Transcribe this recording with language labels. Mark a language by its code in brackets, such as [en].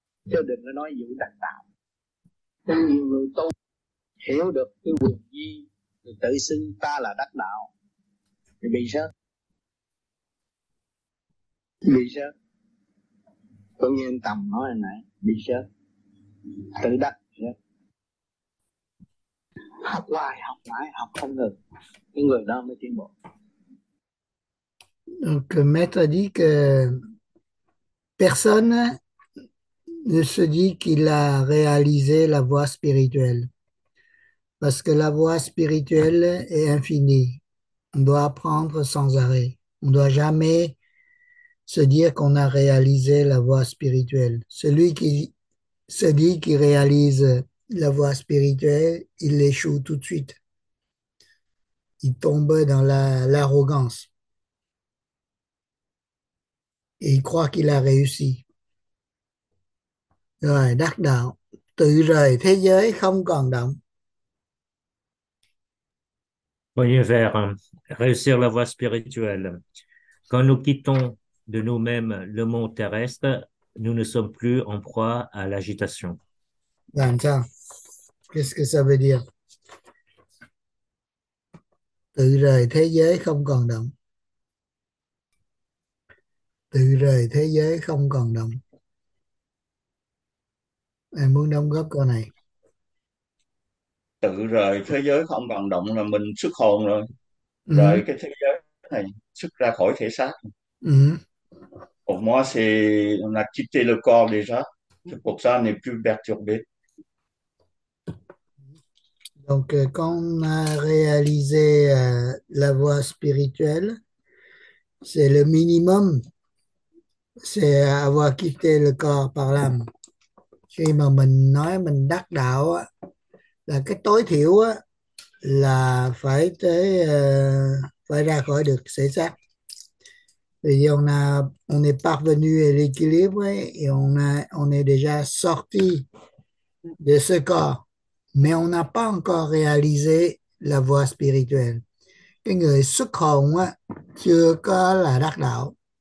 [vi] Chứ đừng có nói vụ đặc tạo. Nên nhiều người tu hiểu được cái quyền di thì tự xưng ta là đắc đạo thì bị sao? Bị sao? Cũng như anh Tầm nói hồi nãy, bị sao? Tự đắc sao? Học hoài, học mãi, học không ngừng, cái người đó mới tiến bộ. [fr] Donc, maître a dit que personne ne se dit qu'il a réalisé la voie spirituelle. Parce que la voie spirituelle est infinie. On doit apprendre sans arrêt. On ne doit jamais se dire qu'on a réalisé la voie spirituelle. Celui qui se dit qu'il réalise la voie spirituelle, il échoue tout de suite. Il tombe dans l'arrogance. Et il croit qu'il a réussi. [vi] Rồi, đắc đạo, tự rời thế giới không còn động. [fr] Premier vers, réussir la voie spirituelle. Quand nous quittons de nous-mêmes le monde terrestre, nous ne sommes plus en proie à l'agitation. Danta, qu'est-ce que ça veut dire? [vi] Tự rời thế giới không còn động. Tự rời thế giới không còn động. Em muốn đóng góp câu này. Tự rời thế giới không còn động là mình xuất hồn rồi. Rời cái thế giới này, xuất ra khỏi thể xác. [fr] Pour moi, c'est on a quitté le corps déjà. C'est pour ça on est plus perturbé. Donc, quand on a réalisé la voie spirituelle, c'est le minimum. C'est avoir quitté le corps par l'âme. [vi] Khi mà mình nói mình đắc đạo á, là cái tối thiểu á, là phải tới phải ra khỏi được thể xác. Vì [fr] on est parvenu à l'équilibre et on est déjà sorti de ce corps, mais on n'a pas encore réalisé la voie spirituelle. [vi] Cái người xuất hồn á, chưa có là đắc đạo.